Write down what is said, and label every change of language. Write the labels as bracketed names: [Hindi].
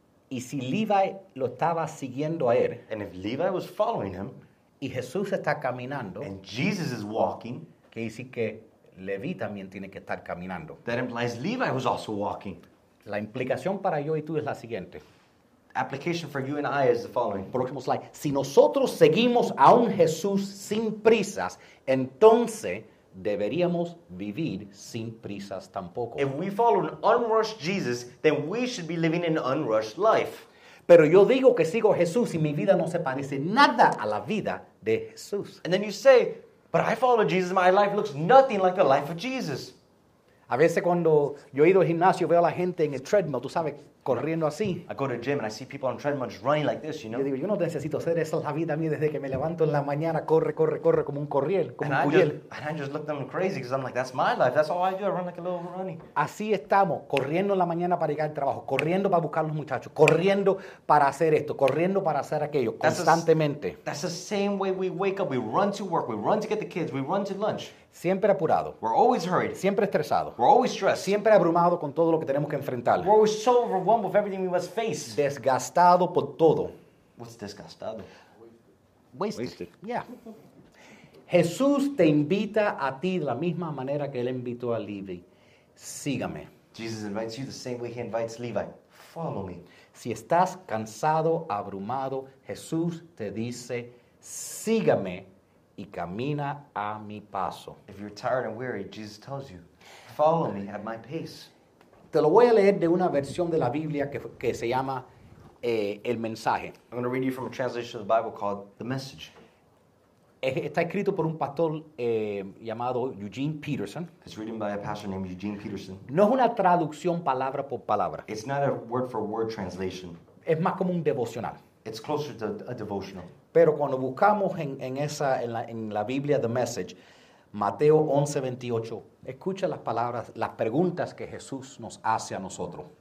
[Spanish] Y si Levi lo estaba siguiendo a él. [English] And if Levi was following him. [Spanish] Y Jesús está caminando. [English] And Jesus is walking. [Spanish] Que dice que Levi también tiene que estar caminando. [English] That implies Levi was also walking. [Spanish] La implicación para yo y tú es la siguiente. [English] Application for you and I is the following. [Spanish] Próximo slide. Si nosotros seguimos a un Jesús sin prisas, entonces deberíamos vivir sin prisas tampoco. [English] If we follow an unrushed Jesus, then we should be living an unrushed life. [Spanish] Pero yo digo que sigo a Jesús y mi vida no se parece nada a la vida de Jesús. [English] And then you say, but I follow Jesus, my life looks nothing like the life of Jesus. [Spanish] A veces cuando yo he ido al gimnasio, veo a la gente en el treadmill, tú sabes, corriendo así. [English] I go to the gym and I see people on treadmill just running like this, you know. [Spanish] Yo digo, yo no necesito hacer eso, la vida a mí desde que me levanto en la mañana, corre, como un curiel. [English] And I just look them crazy because I'm like, that's my life, that's all I do, I run like a little runny. [Spanish] Así estamos, corriendo en la mañana para llegar al trabajo, corriendo para buscar a los muchachos, corriendo para hacer esto, corriendo para hacer aquello, constantemente. [English] That's the same way we wake up, we run to work, we run to get the kids, we run to lunch. [Spanish] Siempre apurado. [English] We're always hurried. [Spanish] Siempre estresado. [English] We're always stressed. [Spanish] Siempre abrumado con todo lo que tenemos que enfrentar. [English] We're always so overwhelmed with everything we must face. [Spanish] Desgastado por todo. [English] What's desgastado? Wasted. Yeah. [Spanish] Jesús te invita a ti de la misma manera que él invitó a Levi. Sígame. [English] Jesus invites you the same way he invites Levi. Follow me. [Spanish] Si estás cansado, abrumado, Jesús te dice, sígame. Y camina a mi paso. [English] If you're tired and weary, Jesus tells you, follow me at my pace. [Spanish] Te lo voy a leer de una versión de la Biblia que se llama El Mensaje. [English] I'm going to read you from a translation of the Bible called The Message. [Spanish] Está escrito por un pastor llamado Eugene Peterson. [English] It's written by a pastor named Eugene Peterson. [Spanish] No es una traducción palabra por palabra. [English] It's not a word for word translation. [Spanish] Es más como un devocional. [English] It's closer to a devotional. [Spanish] Pero cuando buscamos en la Biblia, The Message, Mateo 11:28, escucha las palabras, las preguntas que Jesús nos hace a nosotros.